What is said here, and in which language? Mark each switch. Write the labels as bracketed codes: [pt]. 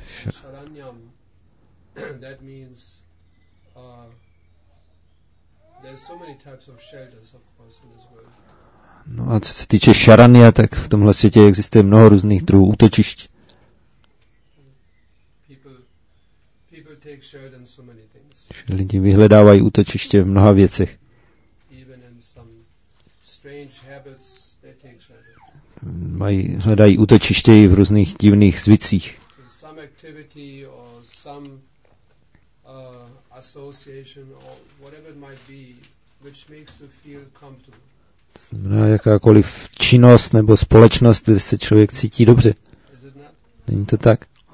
[en] Sharanam, that means there's so many types of shelters, of course, in this world. [cs] No a co se týče Sharanya, tak v tomhle světě existuje mnoho různých druhů útočišť. [en] People take shelter in so many things. [cs] Lidi vyhledávají útočiště v mnoha věcech. [en] Even in some strange habits they take shelter. [cs] Hledají útočiště i v různých divných zvicích. [en] Some activity or some association or whatever it might be which makes you feel comfortable. [cs] To znamená jakákoliv činnost nebo společnost, kde se člověk cítí dobře. Není to tak?